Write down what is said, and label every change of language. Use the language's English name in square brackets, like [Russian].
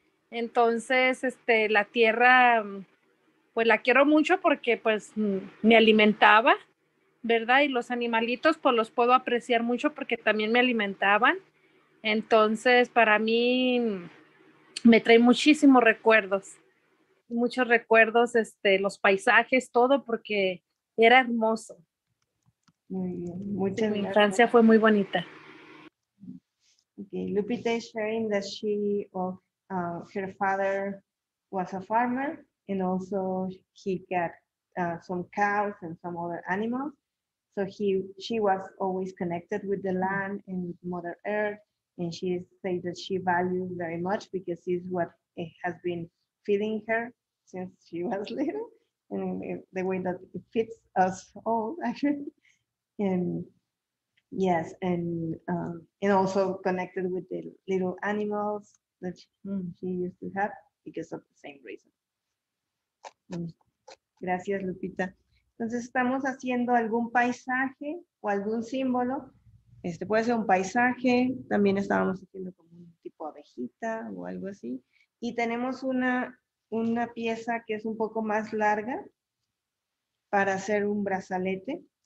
[Spanish] Entonces, la tierra, pues la quiero mucho porque pues me alimentaba, ¿verdad? Y los animalitos, pues los puedo apreciar mucho porque también me alimentaban. Entonces, para mí, me trae muchísimos recuerdos. Muchos recuerdos, los paisajes, todo, porque era hermoso. Muy bien. Mi infancia fue muy bonita. [English] Okay, Lupita is sharing that she of her father was a farmer, and also he got some cows and some other animals. So she was always connected with the land and Mother Earth, and she says that she values very much because it's what it has been feeding her since she was little, and the way that it fits us all actually. And yes, and also connected with the little animals that she used to have because of the same reason. [Spanish] Gracias, Lupita. Entonces estamos haciendo algún paisaje o algún símbolo. Puede ser un paisaje. También estábamos haciendo como un tipo abejita o algo así. Y tenemos una pieza que es un poco más larga para hacer un brazalete.